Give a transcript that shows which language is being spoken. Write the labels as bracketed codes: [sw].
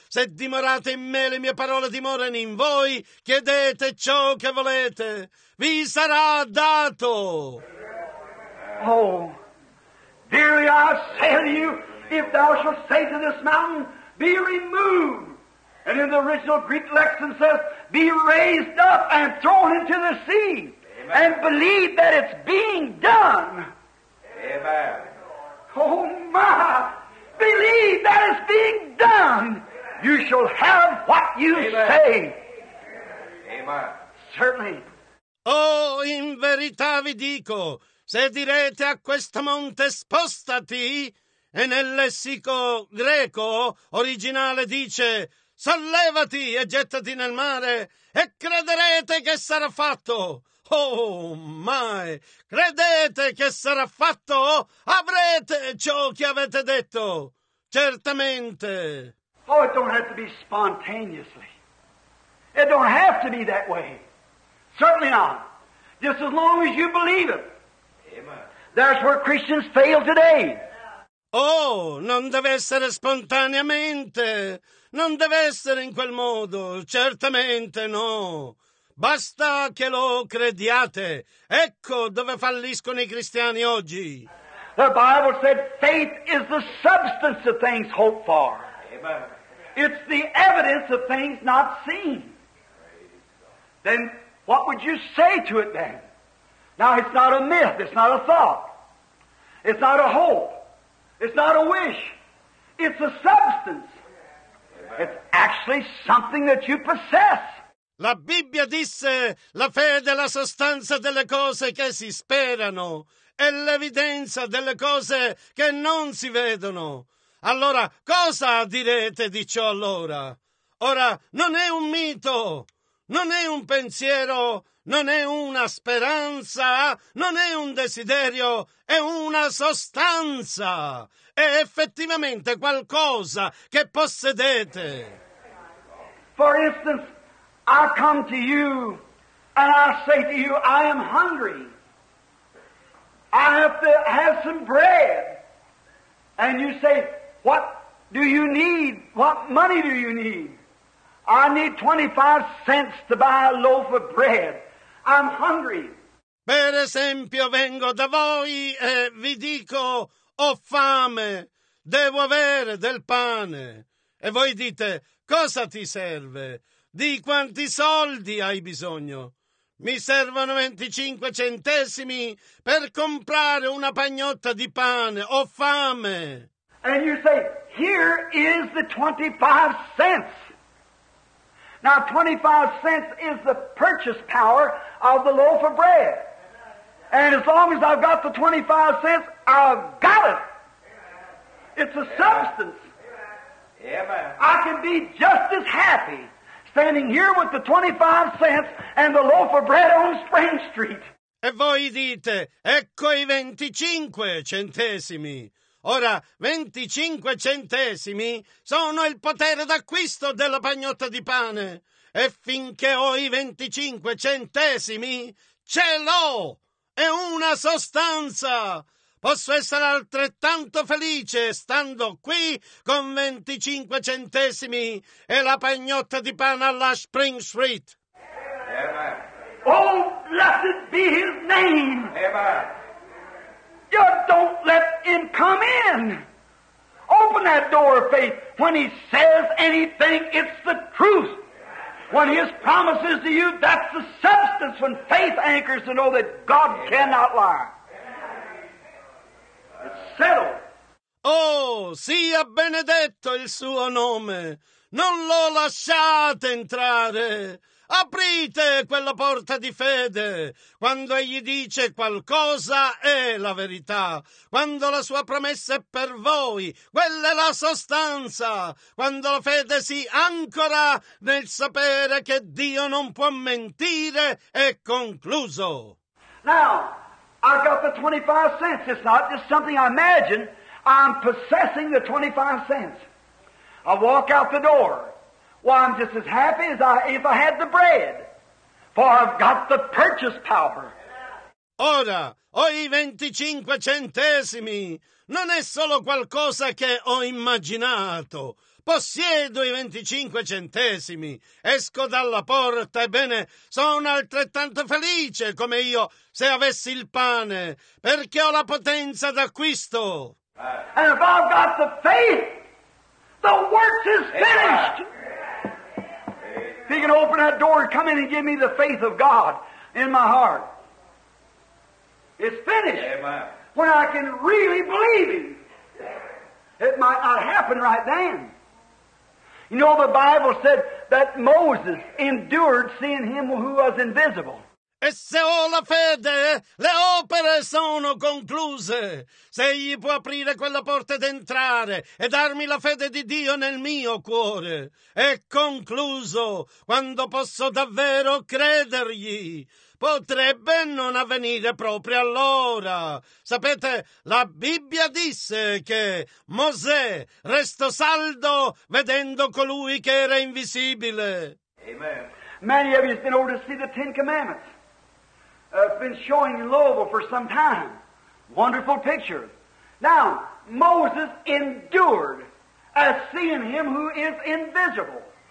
[it] Se dimorate in me, le mie parole dimorano in voi, chiedete ciò che volete, vi sarà dato. [en] Oh, dearly I say to you, if thou shalt say to this mountain, be removed, and in the original Greek lexicon says, be raised up and thrown into the sea. Amen. And believe that it's being done. Amen. Oh my! Believe that it's being done. You shall have what you Amen. Say. Amen. Certainly. [it] Oh, in verità vi dico, se direte a questo monte spostati, e nel lessico greco originale dice sollevati e gettati nel mare e crederete che sarà fatto. Oh, mai! Credete che sarà fatto? Avrete ciò che avete detto. Certamente. [en] Oh, it don't have to be spontaneously. It don't have to be that way. Certainly not. Just as long as you believe it. Amen. That's where Christians fail today. [it] Oh, non deve essere spontaneamente. Non deve essere in quel modo, certamente no. Basta che lo crediate. Ecco dove falliscono i cristiani oggi. [en] The Bible said faith is the substance of things hoped for. Amen. It's the evidence of things not seen. Then what would you say to it then? Now it's not a myth, it's not a thought. It's not a hope. It's not a wish. It's a substance. It's actually something that you possess. [it] La Bibbia disse, la fede è la sostanza delle cose che si sperano e l'evidenza delle cose che non si vedono. Allora, cosa direte di ciò allora? Ora, non è un mito, non è un pensiero, non è una speranza, non è un desiderio, è una sostanza. È effettivamente qualcosa che possedete. [en] For instance, I come to you And I say to you, I am hungry. I have to have some bread. And you say, what do you need? What money do you need? I need 25 cents to buy a loaf of bread. I'm hungry. [it] Per esempio, vengo da voi e vi dico, ho fame, devo avere del pane. E voi dite, cosa ti serve? Di quanti soldi hai bisogno? Mi servono 25 centesimi per comprare una pagnotta di pane. Ho fame. [en] And you say, here is the 25 cents. Now, 25 cents is the purchase power of the loaf of bread. And as long as I've got the 25 cents, I've got it. It's a substance. I can be just as happy standing here with the 25 cents and the loaf of bread on Spring Street. [it] E voi dite, ecco i 25 centesimi. Ora, 25 centesimi sono il potere d'acquisto della pagnotta di pane. E finché ho i 25 centesimi, ce l'ho! È una sostanza! Posso essere altrettanto felice stando qui con 25 centesimi e la pagnotta di pane alla Spring Street. [en] Amen. Oh, blessed be his name! Amen. You don't let him come in. Open that door of faith. When he says anything, it's the truth. When his promises to you, that's the substance. When faith anchors to know that God Amen. Cannot lie. [it] Oh, sia benedetto il suo nome. Non lo lasciate entrare. Aprite quella porta di fede. Quando egli dice qualcosa è la verità. Quando la sua promessa è per voi, quella è la sostanza. Quando la fede si ancora nel sapere che Dio non può mentire, è concluso. [en] Now, I've got the 25 cents. It's not just something I imagine. I'm possessing the 25 cents. I walk out the door. Well, I'm just as happy as if I had the bread. For I've got the purchase power. [it] Ora, ho i 25 centesimi. Non è solo qualcosa che ho immaginato. Possiedo i 25 centesimi, esco dalla porta, ebbene, sono altrettanto felice come io se avessi il pane, perché ho la potenza d'acquisto. [en] And if I've got the faith, the works is finished. If you can open that door and come in and give me the faith of God in my heart, it's finished. Amen. When I can really believe him, it might not happen right then. You know, the Bible said that Moses endured seeing him who was invisible. [it] E se ho la fede, le opere sono concluse. Se egli può aprire quella porta ed entrare e darmi la fede di Dio nel mio cuore, è concluso. Quando posso davvero credergli? Potrebbe non avvenire proprio allora. Sapete, la Bibbia disse che Mosè restò saldo vedendo colui che era invisibile. [en] Amen. Many of you have been able to see the Ten Commandments. I've been showing in Louisville for some time. Wonderful picture. Now, Moses endured as seeing him who is invisible.